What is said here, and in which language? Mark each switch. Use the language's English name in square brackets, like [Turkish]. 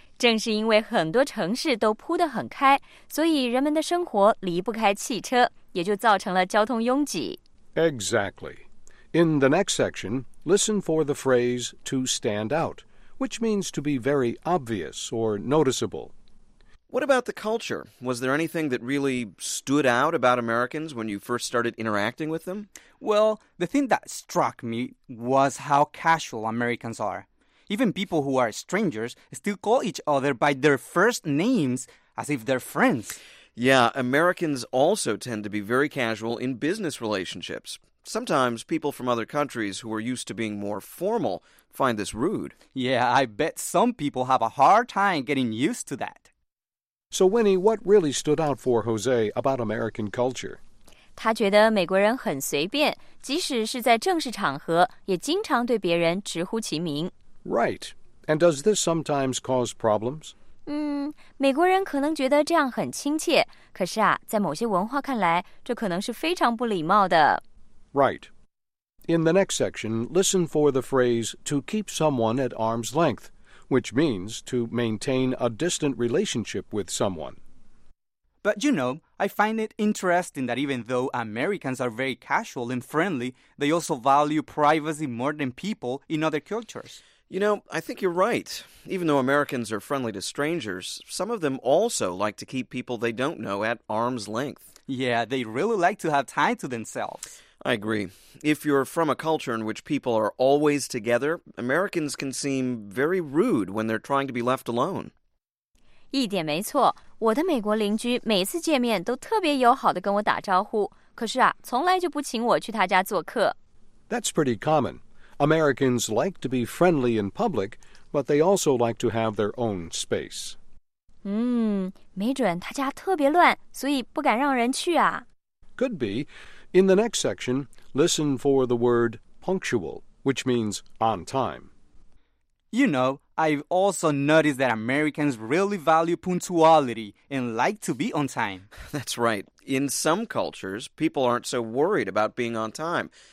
[Chinese] 正是因为很多城市都铺得很开，所以人们的生活离不开汽车，也就造成了交通拥挤。 [English] Exactly. In the next section, listen for the phrase to stand out, which means to be very obvious or noticeable. What about the culture? Was there anything that really stood out about Americans when you first started interacting with them? Well, the thing that struck me was how casual Americans are. Even people who are strangers still call each other by their first names as if they're friends. Yeah, Americans also tend to be very casual in business relationships. Sometimes people from other countries who are used to being more formal find this rude. Yeah, I bet some people have a hard time getting used to that. So, Winnie, what really stood out for Jose about American culture? [Chinese] 他觉得美国人很随便，即使是在正式场合，也经常对别人直呼其名。 [English] Right. And does this sometimes cause problems? [Chinese] 美国人可能觉得这样很亲切，可是啊，在某些文化看来，这可能是非常不礼貌的。 [English] Right. In the next section, listen for the phrase to keep someone at arm's length. Which means to maintain a distant relationship with someone. But you know, I find it interesting that even though Americans are very casual and friendly, they also value privacy more than people in other cultures. You know, I think you're right. Even though Americans are friendly to strangers, some of them also like to keep people they don't know at arm's length. Yeah, they really like to have time to themselves. I agree. If you're from a culture in which people are always together, Americans can seem very rude when they're trying to be left alone. [Chinese] 一点没错，我的美国邻居每次见面都特别友好地跟我打招呼，可是啊，从来就不请我去他家做客。 [English] That's pretty common. Americans like to be friendly in public, but they also like to have their own space. [Chinese] 没准他家特别乱，所以不敢让人去啊。 [English] Could be. In the next section, listen for the word punctual, which means on time. You know, I've also noticed that Americans really value punctuality and like to be on time. That's right. In some cultures, people aren't so worried about being on time.